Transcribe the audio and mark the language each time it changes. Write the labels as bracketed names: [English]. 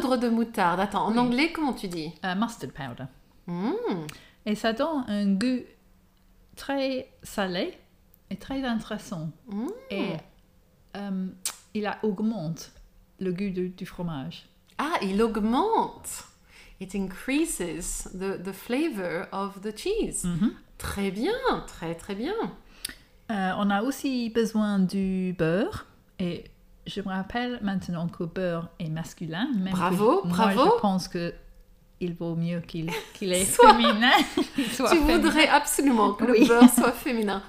[French] Poudre de moutarde. Attends, en anglais, comment tu dis? [English] Mustard powder. Mm. [French] Et ça donne un goût très salé et très intéressant. Mm. Et il augmente le goût du fromage. Ah, il augmente. [English] It increases the flavor of the cheese. Mm-hmm. [French] Très bien, très très bien. On a aussi besoin du beurre. Et je me rappelle maintenant que beurre est masculin. Même bravo, que bravo. Moi, je pense qu'il vaut mieux qu'il est féminin. Voudrais absolument que le beurre soit féminin.